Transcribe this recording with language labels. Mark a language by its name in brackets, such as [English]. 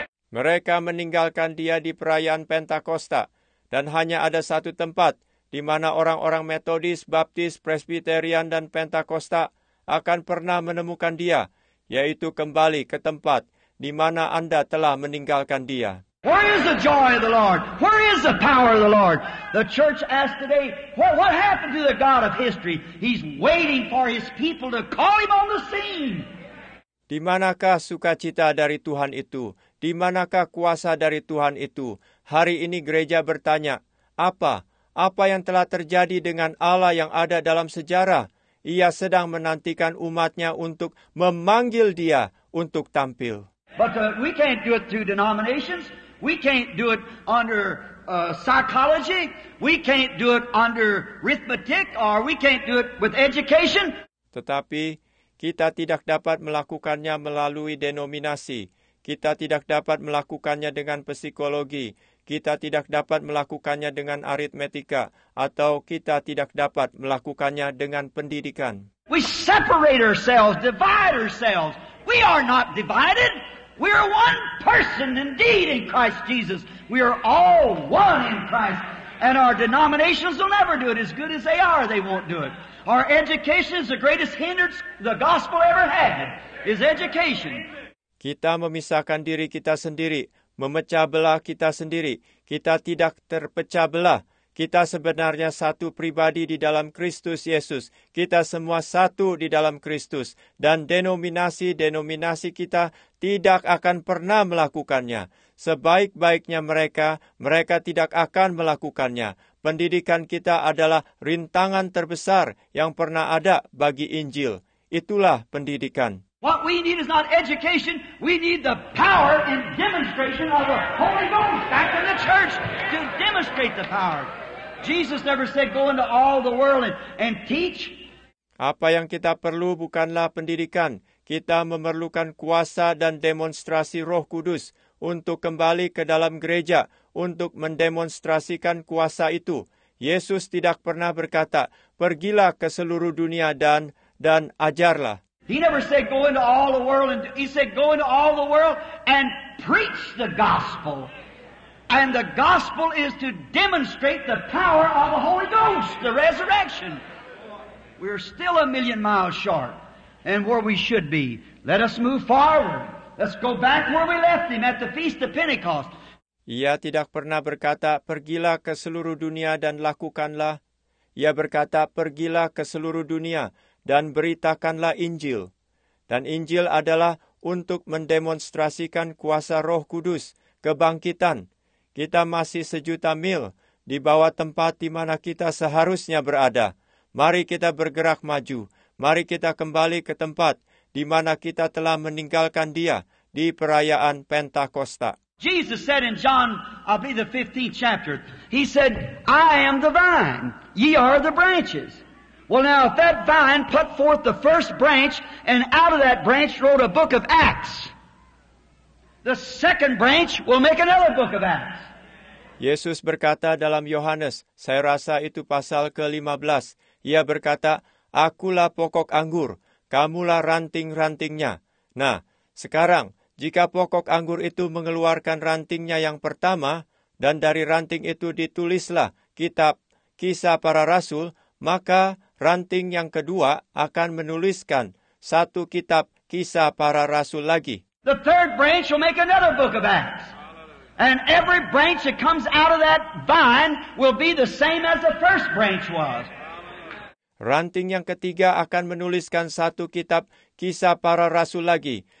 [Indonesian] Mereka meninggalkan dia di perayaan Pentakosta, dan hanya ada satu tempat di mana orang-orang Methodist, Baptist, Presbyterian, dan Pentakosta akan pernah menemukan dia, yaitu kembali ke tempat di mana Anda telah meninggalkan dia. [English] Where is the joy of the Lord? Where is the power of the Lord? The church asked today, what happened to the God of history? He's waiting for his people to call him on the scene. [Indonesian] Di manakah sukacita dari Tuhan itu? Di manakah kuasa dari Tuhan itu? Hari ini gereja bertanya, apa? Apa yang telah terjadi dengan Allah yang ada dalam sejarah? Ia sedang menantikan umatnya untuk memanggil dia untuk tampil. [English] But we can't do it through denominations. We can't do it under psychology. We can't do it under arithmetic, or we can't do it with education. [Indonesian] Tetapi kita tidak dapat melakukannya melalui denominasi. Kita tidak dapat melakukannya dengan psikologi. Kita tidak dapat melakukannya dengan aritmetika. Atau kita tidak dapat melakukannya dengan pendidikan. [English] We separate ourselves, divide ourselves. We are not divided. We are one person indeed in Christ Jesus. We are all one in Christ. And our denominations will never do it as good as they are. They won't do it. Our education is the greatest hindrance the gospel ever had, is education. [Indonesian] Kita memisahkan diri kita sendiri, memecah belah kita sendiri. Kita tidak terpecah belah. Kita sebenarnya satu pribadi di dalam Kristus Yesus. Kita semua satu di dalam Kristus. Dan denominasi-denominasi kita tidak akan pernah melakukannya. Sebaik-baiknya mereka, mereka tidak akan melakukannya. Pendidikan kita adalah rintangan terbesar yang pernah ada bagi Injil. Itulah pendidikan. [English] What we need is not education, we need the power and demonstration of the Holy Ghost back in the church to demonstrate the power. Jesus never said go into all the world and teach. [Indonesian] Apa yang kita perlu bukanlah pendidikan. Kita memerlukan kuasa dan demonstrasi Roh Kudus untuk kembali ke dalam gereja untuk mendemonstrasikan kuasa itu. Yesus tidak pernah berkata, pergilah ke seluruh dunia dan ajarlah. [English] He never said go into all the world and he said go into all the world and preach the gospel. And the gospel is to demonstrate the power of the Holy Ghost, the resurrection. We're still a million miles short and where we should be. Let us move forward. Let's go back where we left him at the feast of Pentecost. [Indonesian] Ia tidak pernah berkata, pergilah ke seluruh dunia dan lakukanlah. Ia berkata, pergilah ke seluruh dunia dan beritakanlah Injil. Dan Injil adalah untuk mendemonstrasikan kuasa Roh Kudus, kebangkitan. Kita masih sejuta mil di bawah tempat di mana kita seharusnya berada. Mari kita bergerak maju. Mari kita kembali ke tempat di mana kita telah meninggalkan dia di perayaan Pentakosta. [English] Jesus said in John, I believe the 15th chapter, he said, I am the vine, ye are the branches. Well now, if that vine put forth the first branch, and out of that branch wrote a book of Acts, The second branch will make another book of Acts. [Indonesian] Yesus berkata dalam Yohanes, saya rasa itu pasal ke-15. Ia berkata, akulah pokok anggur, kamulah ranting-rantingnya. Nah, sekarang, jika pokok anggur itu mengeluarkan rantingnya yang pertama, dan dari ranting itu ditulislah kitab Kisah Para Rasul, maka ranting yang kedua akan menuliskan satu kitab Kisah Para Rasul lagi. [English] The third branch will make another book of Acts. And every branch that comes out of that vine will be the same as the first branch was. [Indonesian] Ranting yang ketiga akan menuliskan satu kitab Kisah Para Rasul lagi.